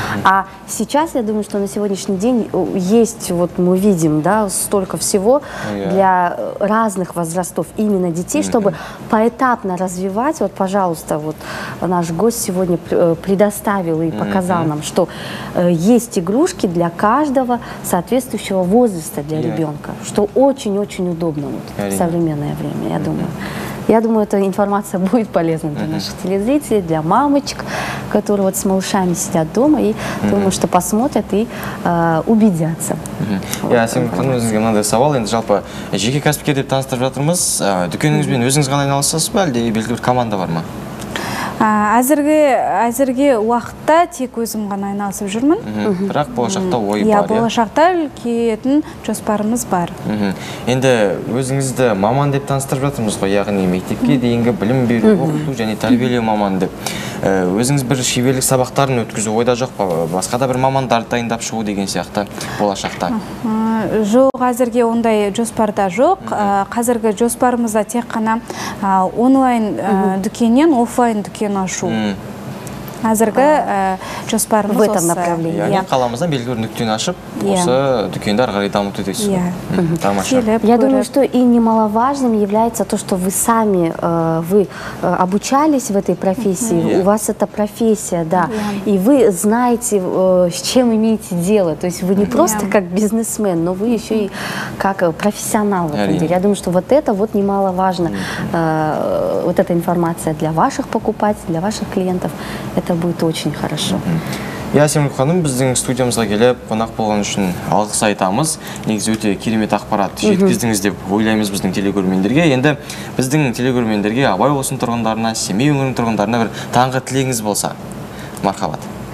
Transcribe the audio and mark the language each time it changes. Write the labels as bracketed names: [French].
[Russian] А сейчас, я думаю, что на сегодняшний день есть, вот мы видим, да, столько всего для разных возрастов именно детей, чтобы поэтапно развивать, вот, пожалуйста, вот наш гость сегодня предоставил и показал нам, что есть игрушки для каждого соответствующего возраста для ребенка, что очень-очень удобно вот, в современное время, я думаю. Я думаю, эта информация будет полезна для наших телезрителей, для мамочек, которые вот с малышами сидят дома и думаю, что посмотрят и убедятся. Я сегодня хочу задать вам один вопрос. [Kazakh] Я жалпы, жеке кәсіпкер деп таныстырып жатырмыз. Дүкеніңіз бен өзіңіз ғана айналысасыз ба, әлде белгілі бір команда бар ма? Әзірге уақытта тек өзім ғана айналысып жүрмін. Бірақ болашақта ой бар. Иә, болашақта үлкейетін жоспарымыз бар. Енді өзіңізді маман деп таныстырып жатырмыз ғой, яғни мектепке дейінгі білім беру, оқыту және тәрбиелеу маман деп. Өзіңіз бір шеберлік сабақтарын өткізу ойда жоқ па? Басқа да бір мамандарды дайындап шығу деген сияқты болашақта? Жоқ, әзірге ондай жоспарда жоқ. Қазіргі жоспарымызда тек қана онлайн дүкеннен офлайн дүкен ашу. Әзіргі жоспарымыз осы. [Russian] В этом направлении. [Kazakh] Яғни қаламыздан белгілі бір нүктені ашып, осы дүкенді ары қарай дамыту дейсіз. [Russian] Я думаю, что и немаловажным является то, что вы сами вы обучались в этой профессии, у вас это профессия, да, и вы знаете, с чем имеете дело, то есть вы не просто как бизнесмен, но вы еще и как профессионал в этом деле. Я думаю, что вот это вот немаловажно, вот эта информация для ваших покупателей, для ваших клиентов, это будет очень хорошо. [Kazakh] Ясен Мүлханым, біздің студиямызға келіп, қонақ болған үшін алғыс айтамыз. Негізі өте керемет ақпарат жеткіздіңіз деп ойлаймыз біздің телекөрмендерге. Енді біздің телекөрмендерге Абай облысының тұрғындарына, Семей өңірінің тұрғындарына бір таңғы тілегіңіз болса. Мархабат.